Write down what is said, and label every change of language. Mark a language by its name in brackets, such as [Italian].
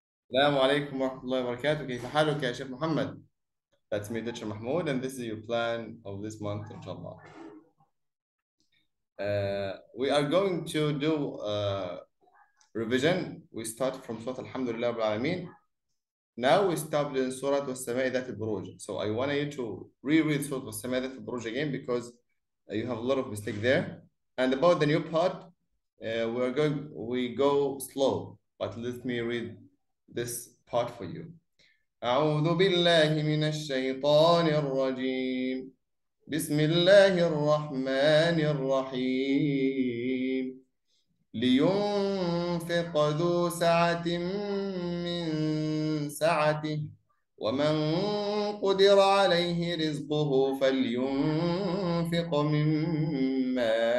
[Arabic] السلام عليكم ورحمة الله وبركاته، كيف حالك يا شيخ محمد؟ [English] That's me, Dr. Mahmoud, and this is your plan of this month, inshallah. We are going to do revision. We start from Surah Alhamdulillah Rabbil Alameen. Now we stopped in Surah Was-Sama'i Dhat Al-Buruj. So I want you to reread Surah Was-Sama'i Dhat Al-Buruj again because you have a lot of mistake there. And about the new part, we go slow. But let me read this part for you. [Arabic] أعوذ بالله من الشيطان الرجيم بسم الله الرحمن الرحيم لينفق ذو سعة من سعته ومن قدر عليه رزقه فلينفق مما